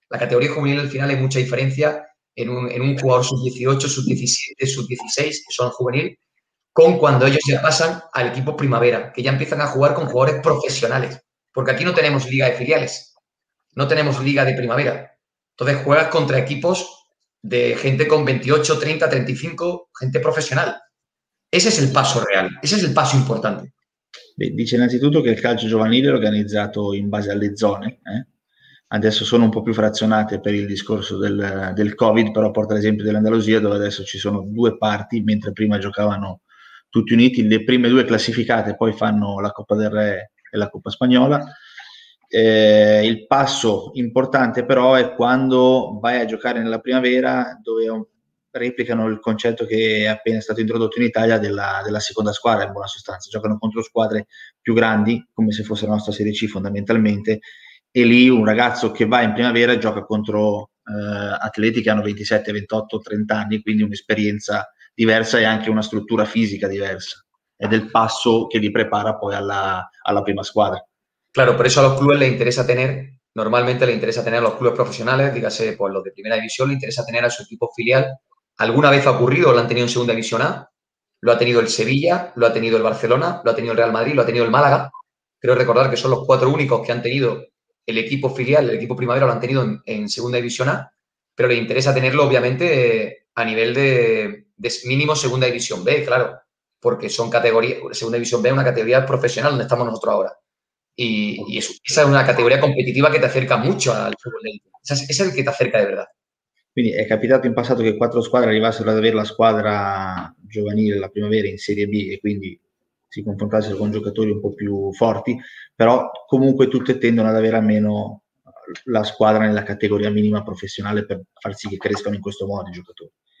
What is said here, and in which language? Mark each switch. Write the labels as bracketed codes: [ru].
[es] La categoría juvenil al final hay mucha diferencia en un jugador sub-18, sub-17, sub-16, que son juvenil, con cuando ellos ya pasan al equipo primavera, que ya empiezan a jugar con jugadores profesionales. Porque aquí no tenemos liga de filiales, no tenemos liga de primavera. Entonces juegas contra equipos de gente con 28, 30, 35, gente profesional. Ese es el paso real, ese es el paso importante. [it] Beh, dice innanzitutto che il calcio giovanile è organizzato in base alle zone, eh? Adesso sono un po' più frazionate per il discorso del Covid, però porta l'esempio dell'Andalusia, dove adesso ci sono due parti, mentre prima giocavano tutti uniti, le prime due classificate poi fanno la Coppa del Re e la Coppa Spagnola. Il passo importante però è quando vai a giocare nella primavera, dove replicano il concetto che è appena stato introdotto in Italia della seconda squadra, in buona sostanza giocano contro squadre più grandi, come se fosse la nostra Serie C fondamentalmente, e lì un ragazzo che va in primavera gioca contro atleti che hanno 27, 28, 30 anni, quindi un'esperienza diversa e anche una struttura fisica diversa, ed è il passo che li prepara poi alla prima squadra. [es] Claro, por eso a los clubes le interesa tener, normalmente le interesa tener a los clubes profesionales, dígase, pues los de primera división, le interesa tener a su equipo filial. ¿Alguna vez ha ocurrido? ¿Lo han tenido en segunda división A? ¿Lo ha tenido el Sevilla? ¿Lo ha tenido el Barcelona? ¿Lo ha tenido el Real Madrid? ¿Lo ha tenido el Málaga? Creo recordar que son los cuatro únicos que han tenido el equipo filial, el equipo primavera, lo han tenido en segunda división A, pero le interesa tenerlo, obviamente, a nivel de mínimo segunda división B, claro, porque son categorías, segunda división B es una categoría profesional donde estamos nosotros ahora. Y eso, esa es una categoría competitiva que te acerca mucho al fútbol de élite. Esa es el que te acerca de verdad. [it] Quindi è capitato in passato che quattro squadre arrivassero ad avere la squadra giovanile, la primavera, in Serie B e quindi si confrontassero con giocatori un po' più forti, però comunque tutte tendono ad avere almeno la squadra nella categoria minima professionale per far sì che crescano in questo modo i giocatori.